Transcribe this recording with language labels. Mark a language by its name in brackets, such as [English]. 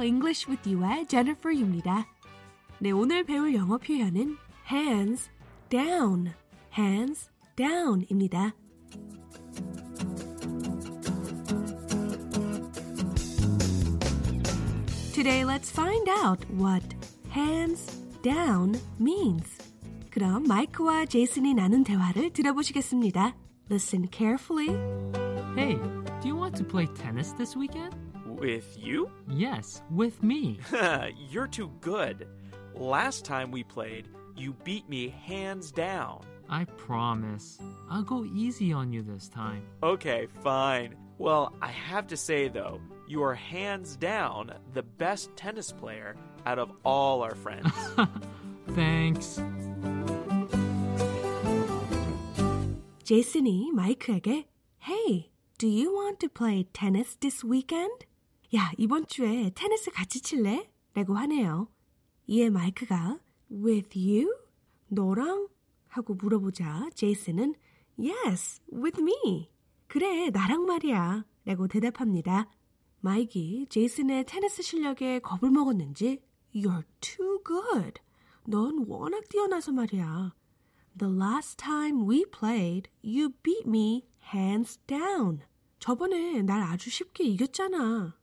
[Korean] English with you의 Jennifer입니다. 네, 오늘 배울 영어 표현은 hands down. Hands down입니다. 오늘 [English] let's find out what hands down means. [Korean] 그럼 마이크와 제이슨이 나눈 대화를 들어보시겠습니다. [English] Listen carefully. Hey, do you want to play tennis this weekend? With you? Yes, with me. You're too good. Last time we played, you beat me hands down. I promise. I'll go easy on you this time. Okay, fine. Well, I have to say, though, you are hands down the best tennis player out of all our friends. Thanks. [Korean] 제이슨이 마이크에게, [English] Hey, do you want to play tennis this weekend? [Korean] 야, 이번 주에 테니스 같이 칠래? 라고 하네요. 이에 마이크가, [English] With you? [Korean] 너랑? 하고 물어보자 제이슨은, [English] Yes, with me. [Korean] 그래, 나랑 말이야. 라고 대답합니다. 마이크가 제이슨의 테니스 실력에 겁을 먹었는지 [English] You're too good. [Korean] 넌 워낙 뛰어나서 말이야. [English] The last time we played, you beat me hands down. [Korean] 저번에 날 아주 쉽게 이겼잖아.